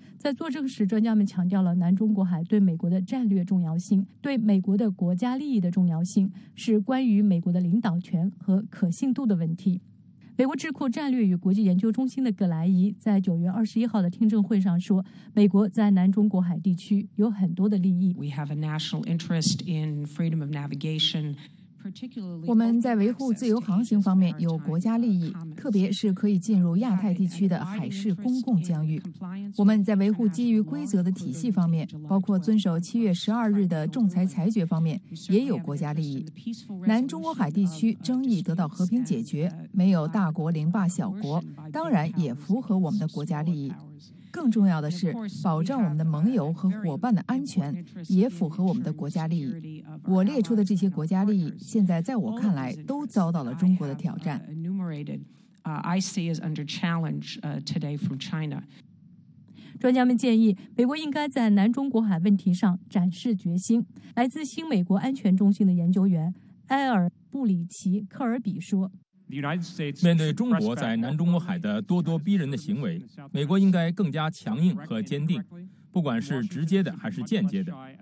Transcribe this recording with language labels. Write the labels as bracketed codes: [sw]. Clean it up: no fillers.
[zh] 在作证时，专家们强调了南中国海对美国的战略重要性，对美国的国家利益的重要性，是关于美国的领导权和可信度的问题。美国智库战略与国际研究中心的葛莱仪在9月21号的听证会上说，美国在南中国海地区有很多的利益。 [en] We have a national interest in freedom of navigation. [zh] 我们在维护自由航行方面有国家利益，特别是可以进入亚太地区的海事公共疆域。我们在维护基于规则的体系方面，包括遵守7月12日的仲裁裁决方面，也有国家利益。南中国海地区争议得到和平解决，没有大国凌霸小国，当然也符合我们的国家利益。更重要的是，保障我们的盟友和伙伴的安全，也符合我们的国家利益。我列出的这些国家利益，现在在我看来，都遭到了中国的挑战。 [en] I see is under challenge today from China. [zh] 专家们建议，美国应该在南中国海问题上展示决心。来自新美国安全中心的研究员埃尔·布里奇·科尔比说，面对中国在南中国海的咄咄逼人的行为，美国应该更加强硬和坚定，不管是直接的还是间接的。